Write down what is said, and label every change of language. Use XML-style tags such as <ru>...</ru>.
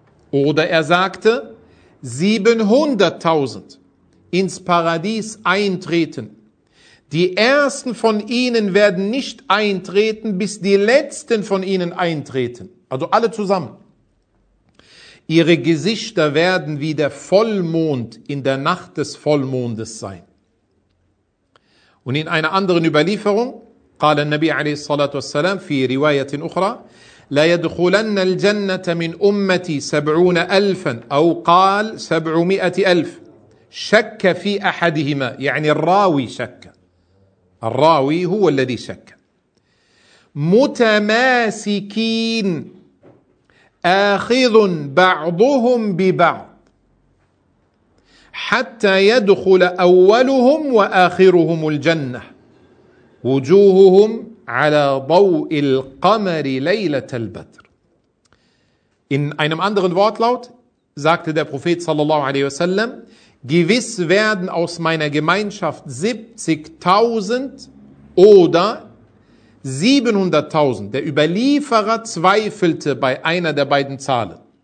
<de>Oder er sagte, 700.000 ins Paradies eintreten. Die ersten von ihnen werden nicht eintreten, bis die letzten von ihnen eintreten. Also alle zusammen. Ihre Gesichter werden wie der Vollmond in der Nacht des Vollmondes sein. Und in einer anderen Überlieferung,</de> <ar>قال النبي عليه الصلاة والسلام في رواية أخرى لا يدخلن الجنة من أمتي 70,000 أو قال 700,000 شك في أحدهما يعني الراوي شك الراوي هو الذي شك متماسكين آخذ بعضهم ببعض حتى يدخل أولهم وآخرهم الجنة وجوههم على ضوء القمر ليلة البدر.</ar> <de>In einem anderen Wortlaut sagte der Prophet sallallahu alaihi wasallam: Gewiss werden aus meiner Gemeinschaft 70.000 oder 700.000. Der Überlieferer zweifelte bei einer der beiden Zahlen.</de>